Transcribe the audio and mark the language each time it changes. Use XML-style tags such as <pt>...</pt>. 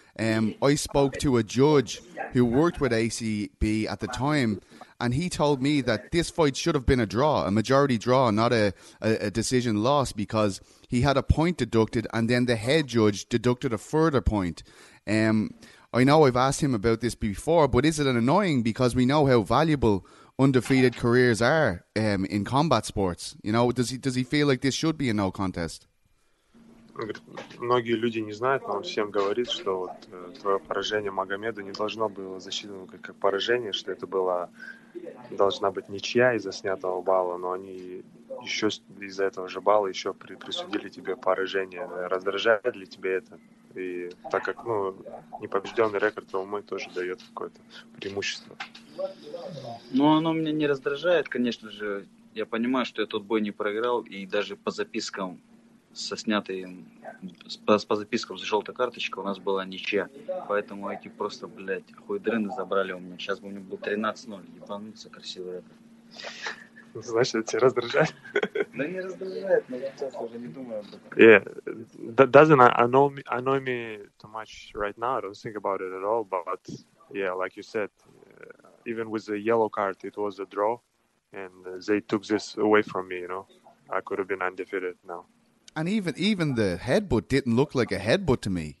<en>I spoke to a judge who worked with ACB at the time, and he told me that this fight should have been a draw, a majority draw, not a decision loss, because he had a point deducted and then the head judge deducted a further point. I know I've asked him about this before, but is it an annoying, because we know how valuable undefeated careers are in combat sports? You know, does he feel like this should be a no contest?</en> <ru>Многие люди не знают, но он всем говорит, что вот твое поражение Магомеду не должно было засчитано как поражение, что это была должна быть ничья из-за снятого балла, но они еще из-за этого же балла еще присудили тебе поражение. Раздражает ли тебе это? И так как, ну, непобежденный рекорд, то мой тоже дает какое-то преимущество. Ну, оно меня не раздражает, конечно же. Я понимаю, что я тот бой не проиграл, и даже по запискам со снятой, по запискам с желтой карточкой у нас была ничья. Поэтому эти просто, блядь, хуйдрыны забрали у меня. Сейчас бы у меня был 13-0, ебануться, красивый рекорд. Значит, тебя раздражает? Да не раздражает, но сейчас уже не думаю об этом.</ru> <en>Yeah, that doesn't annoy me too much right now. I don't think about it at all. But yeah, like you said, even with the yellow card, it was a draw, and they took this away from me. You know, I could have been undefeated now. And even the headbutt didn't look like a headbutt to me.</en>